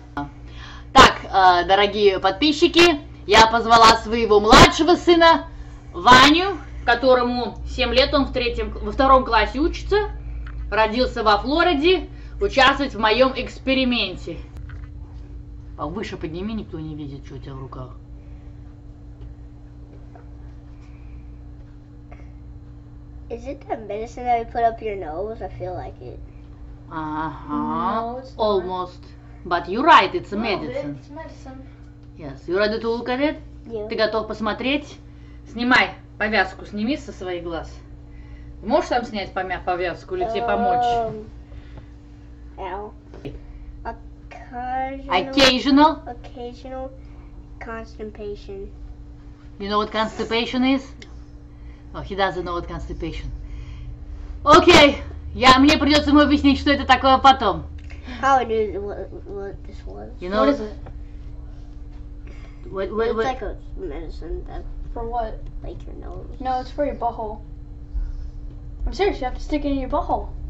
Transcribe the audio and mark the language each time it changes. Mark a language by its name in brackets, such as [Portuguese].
[Russian] Так, дорогие подписчики, я позвала своего младшего сына Ваню, которому 7 лет, он во втором классе учится, родился во Флориде, участвовать в моем эксперименте. Повыше подними, никто не видит, что у тебя в руках. [English] Is it that medicine that we put up your nose? I feel like it. Uh-huh. No, almost. But you're right, it's a medicine. It's medicine. Yes. You ready to look at it? Yeah. [Russian] Ты готов посмотреть? Снимай повязку, сними со своих глаз. Можешь сам снять повязку или тебе помочь? Ow. [English] Occasional constipation. You know what constipation is? Oh, he doesn't know what constipation. [Russian] Okay, мне придется ему объяснить, что это такое потом. [English] How I knew what this was. You know what is it? It's like a medicine that... For what? Like your nose. No, it's for your butthole. I'm serious, you have to stick it in your butthole.